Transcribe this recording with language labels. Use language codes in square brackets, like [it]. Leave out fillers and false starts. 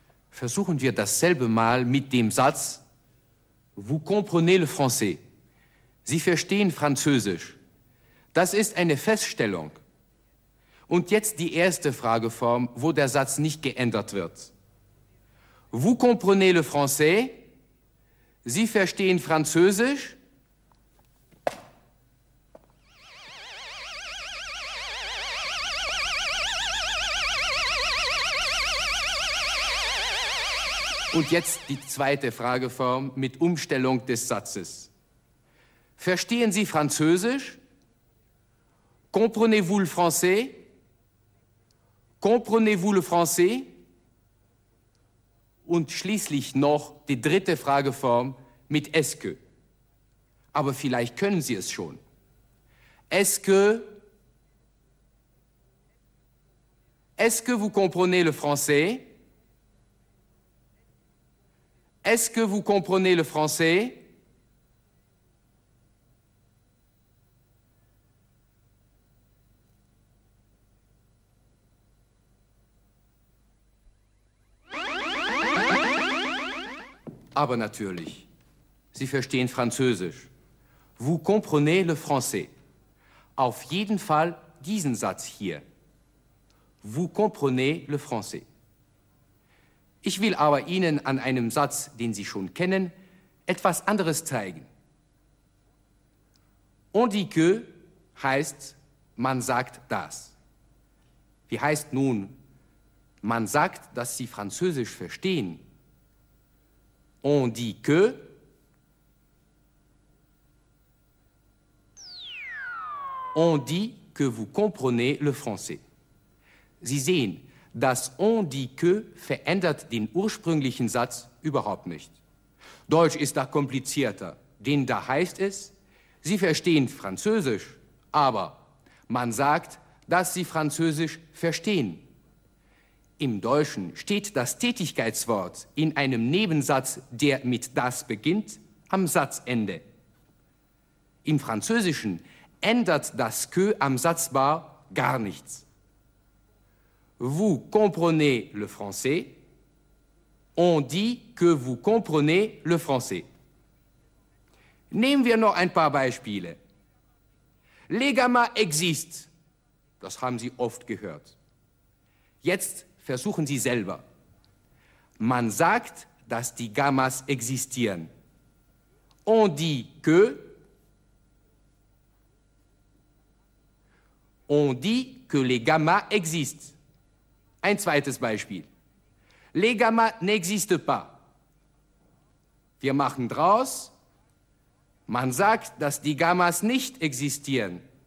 [de] Versuchen wir dasselbe Mal mit dem Satz: [fr] Vous comprenez le français. [de] Sie verstehen Französisch. Das ist eine Feststellung. Und jetzt die erste Frageform, wo der Satz nicht geändert wird. [fr] Vous comprenez le français? [de] Sie verstehen Französisch? Und jetzt die zweite Frageform mit Umstellung des Satzes. Verstehen Sie Französisch? [fr] Comprenez-vous le français? Comprenez-vous le français? [de] Und schließlich noch die dritte Frageform mit [fr] est-ce que. [de] Aber vielleicht können Sie es schon. [fr] Est-ce que? Est-ce que vous comprenez le français? Est-ce que vous comprenez le français? [de] Aber natürlich, Sie verstehen Französisch. [fr] Vous comprenez le français. [de] Auf jeden Fall diesen Satz hier. [fr] Vous comprenez le français. [de] Ich will aber Ihnen an einem Satz, den Sie schon kennen, etwas anderes zeigen. [fr] On dit que [de] heißt, man sagt das. Wie heißt nun, man sagt, dass Sie Französisch verstehen? [fr] On dit que. On dit que vous comprenez le français. [de] Sie sehen, Das [fr] on dit que [de] verändert den ursprünglichen Satz überhaupt nicht. Deutsch ist da komplizierter, denn da heißt es, Sie verstehen Französisch, aber man sagt, dass Sie Französisch verstehen. Im Deutschen steht das Tätigkeitswort in einem Nebensatz, der mit das beginnt, am Satzende. Im Französischen ändert das [fr] que [de] am Satzbar gar nichts. [fr] Vous comprenez le français? On dit que vous comprenez le français. [de] Nehmen wir noch ein paar Beispiele. [fr] Les gamins existent. [de] Das haben Sie oft gehört. Jetzt versuchen Sie selber. Man sagt, dass die Gammas existieren. [fr] On dit que. On dit que les gammas existent. [de] Ein zweites Beispiel. [fr] Les gammas n'existent pas. [de] Wir machen draus. Man sagt, dass die Gammas nicht existieren.